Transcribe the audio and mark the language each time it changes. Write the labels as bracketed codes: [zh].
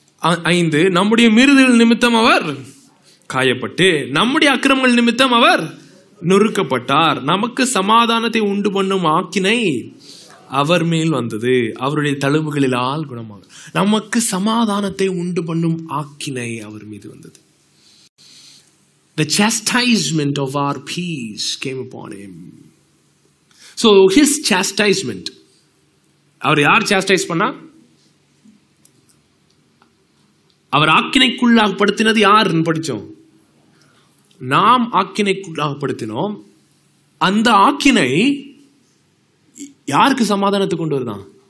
[ta] 5, நம்முடைய மீறுதல் நிமித்தம் அவர் காயப்பட்டு நம்முடைய அக்கிரமங்கள் நிமித்தம் அவர் நொறுக்கப்பட்டார். நமக்கு சமாதானத்தை உண்டு பண்ணும் ஆக்கினை அவர் மேல் வந்தது, அவருடைய தழும்புகளால் குணமாக. நமக்கு சமாதானத்தை உண்டு பண்ணும் ஆக்கினை அவர் மீது வந்தது. [en] The chastisement of our peace came upon him. So his chastisement, [ta] அவர் யார் சாஸ்டைஸ் பண்ணா? அவர் ஆக்கினைக்குள்ளாகப்படுத்தினது யாருன்னு படித்தோம். நாம் ஆக்கினைக்குள்ளாகப்படுத்தினோம். அந்த ஆக்கினை யாருக்கு சமாதானத்தை கொண்டு வருதான்?